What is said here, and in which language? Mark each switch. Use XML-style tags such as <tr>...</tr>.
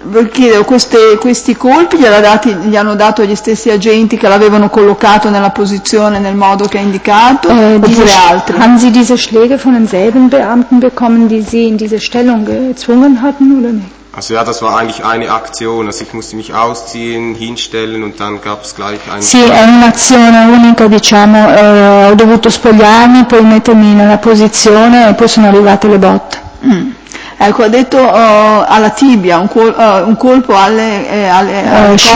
<it>Chiedo, questi colpi gli hanno dato gli stessi agenti che l'avevano collocato nella posizione nel modo che ha indicato oppure altri?</it> <de>Haben Sie diese Schläge von denselben Beamten bekommen, die Sie in diese Stellung gezwungen hatten oder nicht? Also ja, das war eigentlich eine Aktion, also ich musste mich ausziehen, hinstellen und dann gab es gleich einen...</de> <it>Sì, è un'azione unica, diciamo, ho dovuto spogliarmi, poi mettermi nella posizione e poi sono arrivate le botte. Ecco, ha detto alla tibia, un colpo alle</it>